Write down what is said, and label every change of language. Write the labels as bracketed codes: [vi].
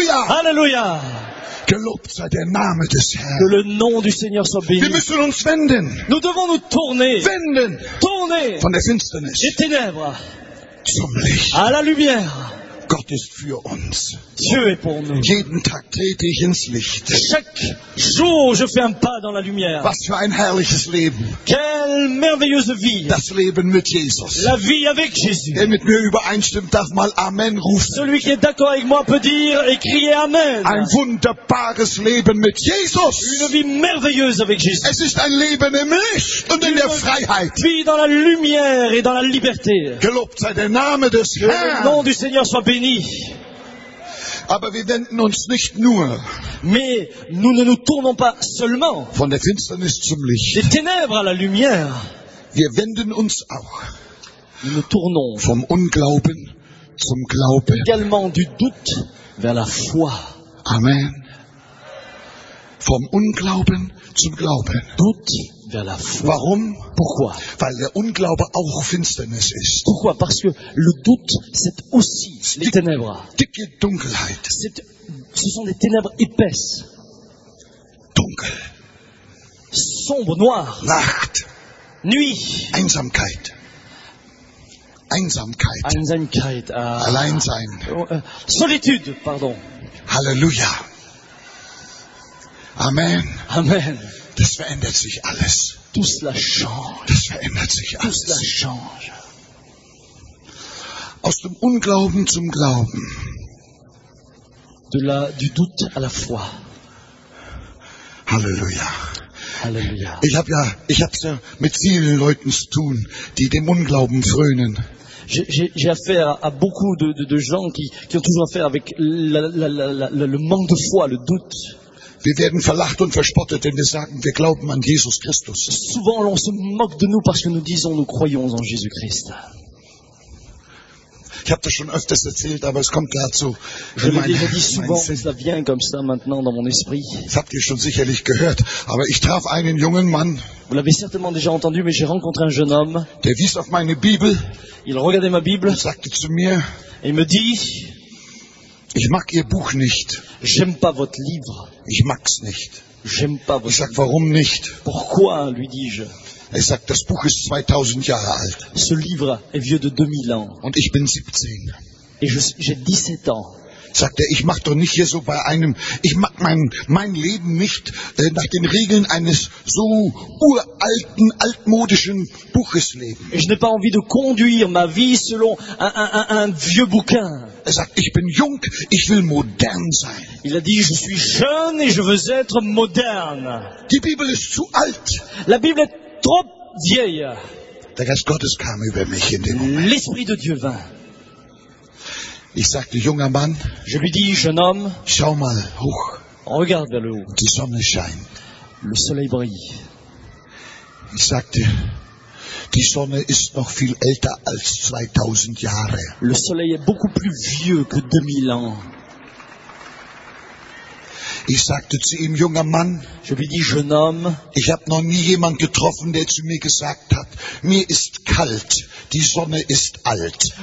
[fr] Alléluia. Alléluia. [de] Gelobt sei der Name des Herrn. [fr] Que le nom du Seigneur soit béni. [de] Wir müssen uns wenden. [fr] Nous devons nous tourner. [de] Wenden. [fr] Tourner. [de] Von der Finsternis. [fr] Des ténèbres. [de] Zum Licht. [fr] À la lumière. [de] Gott ist für uns. [fr] Dieu est pour nous. [de] Jeden Tag trete ich ins Licht. [fr] Chaque jour, je fais un pas dans la lumière. [de] Was für ein herrliches Leben. [fr] Quelle merveilleuse vie. [de] Das Leben mit Jesus. [fr] La vie avec Jésus. [de] Wer mit mir übereinstimmt, darf mal Amen rufen. [fr] Celui qui est d'accord avec moi peut dire et crier Amen. [de] Ein wunderbares Leben mit Jésus. [fr] Une vie merveilleuse avec Jésus. [de] Es ist ein Leben im Licht und [fr] Une [de] in der Freiheit. [fr] Vie dans la lumière et dans la liberté. [de] Gelobt sei der Name des Herrn. [fr] Le nom du Seigneur soit béni. [de] Aber wir wenden uns nicht nur [fr] Mais nous ne nous tournons pas seulement [de] von der Finsternis zum Licht. [fr] Des ténèbres à la lumière. [de] Wir wenden uns auch [fr] nous nous tournons [de] vom Unglauben zum Glauben. [fr] Également du doute vers la foi. [de] Amen. Vom Unglauben zum Glauben. [fr] Doute vers la foi. [de] Warum? [fr] Pourquoi? [de] Weil der Unglaube auch Finsternis ist. [fr] Pourquoi? Parce que le doute, c'est aussi les ténèbres. [de] Dicke Dunkelheit. [fr] Ce sont des ténèbres épaisses. [de] Dunkel. [fr] Sombre, noir. [de] Nacht. [fr] Nuit. [de] Einsamkeit. Einsamkeit. Einsamkeit. Alleinsein. [fr] Solitude, pardon. [de] Halleluja. Amen. Amen. Das verändert sich alles. [fr] Tout cela change. [de] Das verändert sich alles. [fr] Tout cela change. [de] Aus dem Unglauben zum Glauben. [fr] Du doute à la foi. [de] Halleluja. [fr] Halleluja. [de] Ich hab's ja mit vielen Leuten zu tun, die dem Unglauben frönen. [fr] J'ai affaire à beaucoup de gens qui ont toujours affaire avec le manque de foi, le doute. [de] Wir werden verlacht und verspottet, wenn wir sagen, wir glauben an Jesus Christus. [fr] Souvent on se moque de nous parce que nous disons nous croyons en Jésus-Christ. [de] Ich habe das schon öfters erzählt, aber es kommt dazu. [fr] Je l'ai déjà dit souvent, ça vient comme ça maintenant dans mon esprit. [de] Das habt ihr schon sicherlich gehört, aber ich traf einen jungen Mann. [fr] Vous l'avez certainement déjà entendu, mais j'ai rencontré un jeune homme. [de] Der wies auf meine Bibel. [fr] Il regardait ma Bible. [de] Und sagte zu mir. [fr] Et il me dit. [de] Ich mag ihr Buch nicht. [fr] J'aime pas votre livre. [de] Ich mag's nicht. [fr] J'aime pas votre [de] ich sag, warum nicht? [fr] Pourquoi, lui dis-je? [de] Er sagt, das Buch ist 2000 Jahre alt. [fr] Ce livre est vieux de 2000 ans. [de] Und ich bin 17. [fr] Et j'ai 17 ans. [de] Sagt er, ich mach doch nicht hier so bei einem, ich mag mein Leben nicht nach den Regeln eines so uralten, altmodischen Buches leben. [fr] Je n'ai pas envie de conduire ma vie selon un vieux bouquin. [de] Er sagt, ich bin jung, ich will modern sein. [fr] Il a dit, je suis jeune et je veux être moderne. [de] Die Bibel ist zu alt. [fr] La Bible est trop dieu. [de] Der Geist Gottes kam über mich in dem Moment. [fr] L'esprit de Dieu vint. [de] Ich sagte, junger Mann, [fr] je lui dis, jeune homme, [de] schau mal hoch. [fr] Regarde vers le haut. [de] Die Sonne scheint. [fr] Le soleil brille. [de] Ich sagte, die Sonne ist noch viel älter als 2000 Jahre. [fr] Le soleil est beaucoup plus vieux que 2000 ans. [de] Ich sagte zu ihm, junger Mann, [fr] je lui dis, jeune homme, [de] ich habe noch nie jemanden getroffen, der zu mir gesagt hat, mir ist kalt, die Sonne ist alt.